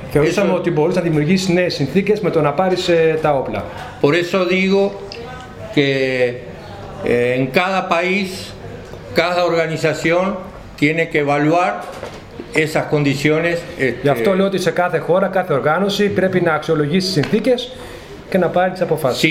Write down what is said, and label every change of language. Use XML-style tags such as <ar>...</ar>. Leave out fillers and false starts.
<el>Θεωρήσαμε ότι μπορείς να δημιουργήσεις νέες συνθήκες με το να πάρεις τα όπλα.</el> <es>Por eso digo que en cada país, cada organización tiene que evaluar esas condiciones.</es> <el>Γι' αυτό λέω ότι σε κάθε χώρα, κάθε οργάνωση πρέπει να αξιολογήσει τις συνθήκες και να πάρει τις αποφάσεις.</el>